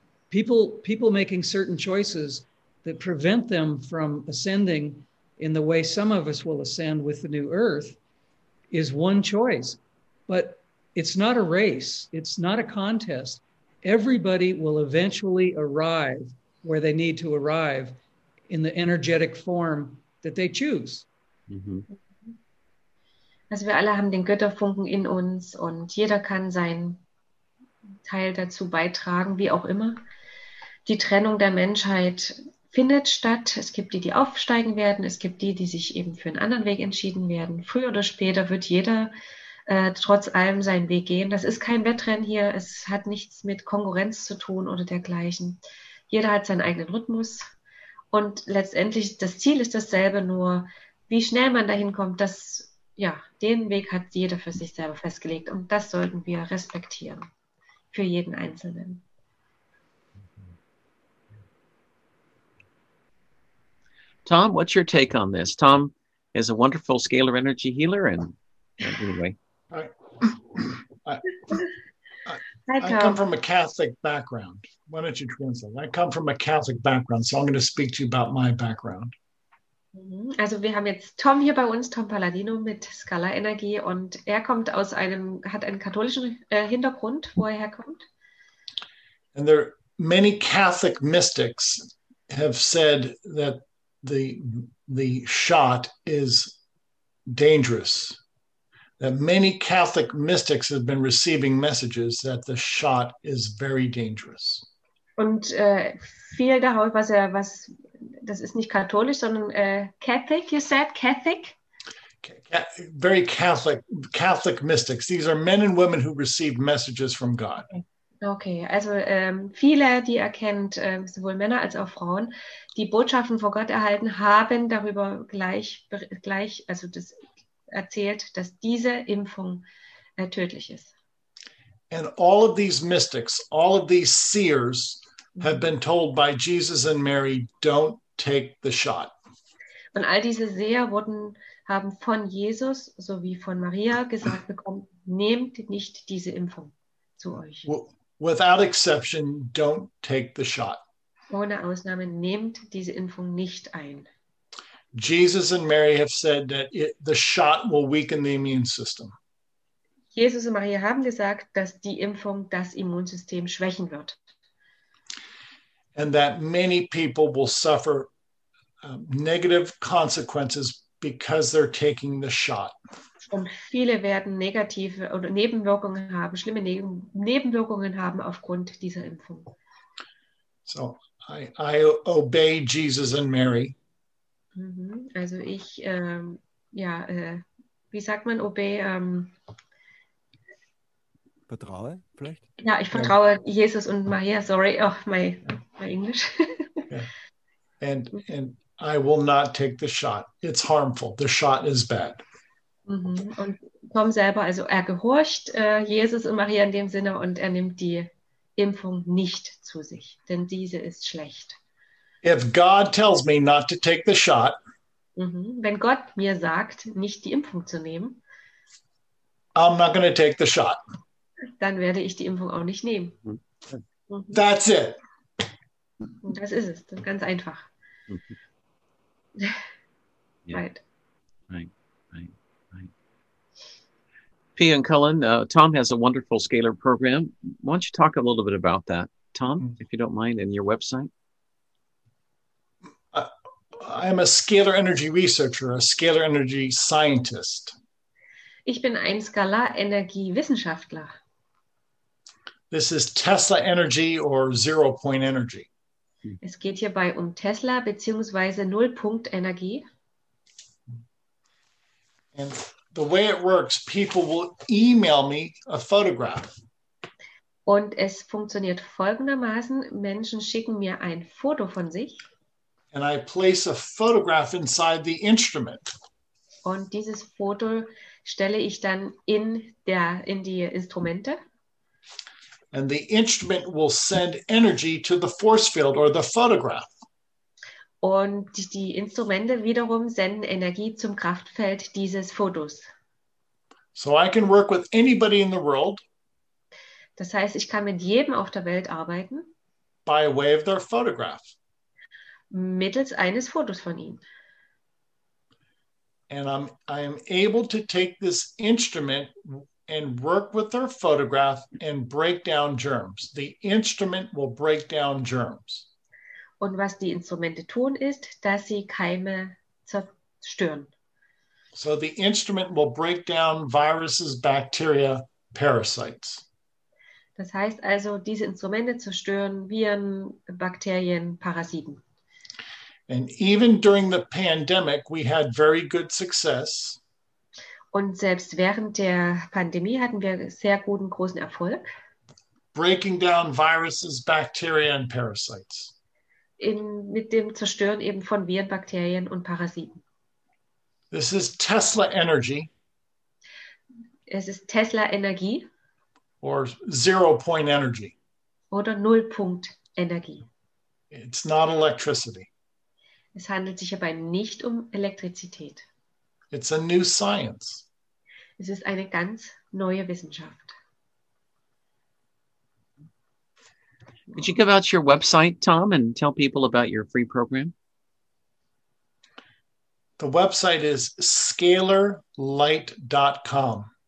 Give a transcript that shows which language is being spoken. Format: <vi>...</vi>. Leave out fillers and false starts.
<en>People making certain choices that prevent them from ascending in the way some of us will ascend with the new Earth is one choice, but it's not a race. It's not a contest. Everybody will eventually arrive where they need to arrive in the energetic form that they choose. Mm-hmm.</en> <de>Also, wir alle haben den Götterfunken in uns und jeder kann seinen Teil dazu beitragen, wie auch immer. Die Trennung der Menschheit findet statt. Es gibt die, die aufsteigen werden. Es gibt die, die sich eben für einen anderen Weg entschieden werden. Früher oder später wird jeder trotz allem seinen Weg gehen. Das ist kein Wettrennen hier. Es hat nichts mit Konkurrenz zu tun oder dergleichen. Jeder hat seinen eigenen Rhythmus. Und letztendlich, das Ziel ist dasselbe, nur wie schnell man dahin kommt, das, ja, den Weg hat jeder für sich selber festgelegt. Und das sollten wir respektieren für jeden Einzelnen.</de> <en>Tom, what's your take on this? Tom is a wonderful scalar energy healer and anyway. I come from a Catholic background. Why don't you translate? I come from a Catholic background, so I'm going to speak to you about my background.</en> <de>Also, wir haben jetzt Tom hier bei uns, Tom Palladino mit Scala Energie, und er kommt aus einem, hat einen katholischen Hintergrund, wo er herkommt.</de> <en>And there many Catholic mystics have said that the shot is dangerous. That many Catholic mystics have been receiving messages that the shot is very dangerous.</en> <de>Und viel darauf, was das ist nicht katholisch, sondern Catholic,</de> <en>you said Catholic. Very Catholic mystics. These are men and women who receive messages from God.</en> <de>Okay, also viele, die erkennt sowohl Männer als auch Frauen, die Botschaften von Gott erhalten haben, darüber gleich also das erzählt, dass diese Impfung tödlich ist.</de> <en>And all of these mystics, all of these seers have been told by Jesus and Mary, don't take the shot.</en> <de>Und all diese Seher haben von Jesus sowie von Maria gesagt bekommen, nehmt nicht diese Impfung zu euch.</de> <en>without exception, don't take the shot.</en> <de>Ohne Ausnahme, nehmt diese Impfung nicht ein.</de> <en>Jesus and Mary have said that the shot will weaken the immune system.</en> <de>Jesus und Maria haben gesagt, dass die Impfung das Immunsystem schwächen wird.</de> <en>And that many people will suffer negative consequences because they're taking the shot.</en> <de>Und viele werden negative oder Nebenwirkungen haben, schlimme Nebenwirkungen haben aufgrund dieser Impfung.</de> <en>So, I obey Jesus and Mary.</en> <de>Also ich, wie sagt man, obey? Vertraue vielleicht? Ja, ich vertraue Jesus und Maria, sorry,</de> <en>oh, my English. Yeah. And I will not take the shot. It's harmful. The shot is bad.</en> <de>Und Tom selber, also er gehorcht Jesus und Maria in dem Sinne und er nimmt die Impfung nicht zu sich, denn diese ist schlecht.</de> <en>If God tells me not to take the shot,</en> <de>wenn Gott mir sagt, nicht die Impfung zu nehmen,</de> <en>I'm not going to take the shot.</en> <de>Dann werde ich die Impfung auch nicht nehmen.</de> <en>That's it.</en> <de>Das ist es, das ist ganz einfach.</de> <en>Yeah. Right. Pia and Cullen, Tom has a wonderful scalar program. Why don't you talk a little bit about that, Tom, if you don't mind, and your website? I'm a scalar energy researcher, a scalar energy scientist.</en> <de>Ich bin ein Skalarenergiewissenschaftler.</de> <en>This is Tesla energy or zero point energy.</en> <de>Es geht hierbei um Tesla beziehungsweise Nullpunktenergie.</de> <en>And the way it works, people will email me a photograph.</en> <de>Und es funktioniert folgendermaßen: Menschen schicken mir ein Foto von sich.</de> <en>And I place a photograph inside the instrument.</en> <de>Und dieses Foto stelle ich dann in die Instrumente.</de> <en>And the instrument will send energy to the force field or the photograph.</en> <de>Und die Instrumente wiederum senden Energie zum Kraftfeld dieses Fotos.</de> <en>So I can work with anybody in the world.</en> <de>Das heißt, ich kann mit jedem auf der Welt arbeiten.</de> <en>By way of their photograph.</en> <de>Mittels eines Fotos von ihnen.</de> <en>And I'm able to take this instrument and work with their photograph and break down germs. The instrument will break down germs.</en> <de>Und was die Instrumente tun ist, dass sie Keime zerstören.</de> <en>So the instrument will break down viruses, bacteria, parasites.</en> <de>Das heißt also, diese Instrumente zerstören Viren, Bakterien, Parasiten.</de> <en>And even during the pandemic, we had very good success.</en> <de>Und selbst während der Pandemie hatten wir sehr guten, großen Erfolg.</de> <en>Breaking down viruses, bacteria and parasites.</en> <de>Mit dem Zerstören eben von Viren, Bakterien und Parasiten.</de> <en>This is Tesla energy.</en> <de>Es ist Tesla Energie.</de> <en>Or zero point energy.</en> <de>Oder Nullpunkt Energie.</de> <en>It's not electricity.</en> <de>Es handelt sich hierbei nicht um Elektrizität.</de> <en>It's a new science.</en> <de>Es ist eine ganz neue Wissenschaft.</de> <en>Could you give out your website, Tom, and tell people about your free program? The website is scalarlight.com.</en>